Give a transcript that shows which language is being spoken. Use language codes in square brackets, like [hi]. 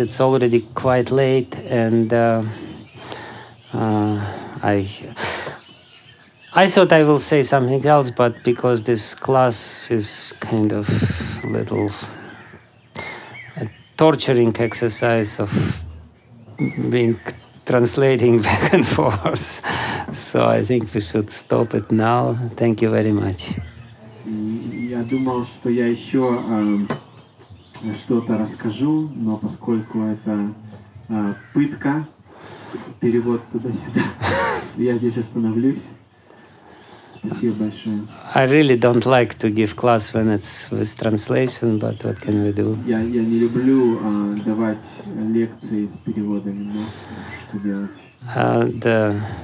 [en] It's already quite late, and I thought I will say something else, but because this class is kind of a little torturing exercise of being translating back and forth, so I think we should stop it now. Thank you very much. [ru] Я думал, что я еще что-то расскажу, но поскольку это пытка, перевод туда-сюда, я здесь остановлюсь. Спасибо большое. [en] I really don't like to give class when it's with translation, but what can we do? [ru] Я не люблю давать лекции с переводами, но что делать?